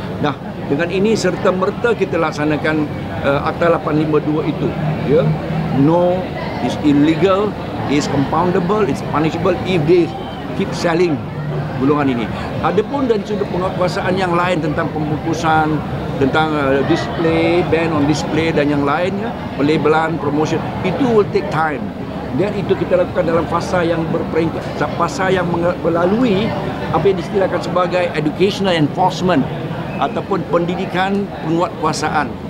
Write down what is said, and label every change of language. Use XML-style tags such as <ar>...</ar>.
<ms>Nah, dengan ini serta-merta kita laksanakan Akta 852 itu.</ms> <en>Ya, no, it's illegal, it's compoundable, it's punishable if they keep selling</en> <ms>golongan ini. Adapun dari sudut penguatkuasaan yang lain tentang pembungkusan, tentang display,</ms> <en>ban on display</en> <ms>dan yang lainnya, pelabelan, promotion, itu</ms> <en>will take time.</en> <ms>Dan itu kita lakukan dalam fasa yang berperingkat, fasa yang melalui apa yang diistilahkan sebagai educational enforcement ataupun pendidikan penguatkuasaan.</ms>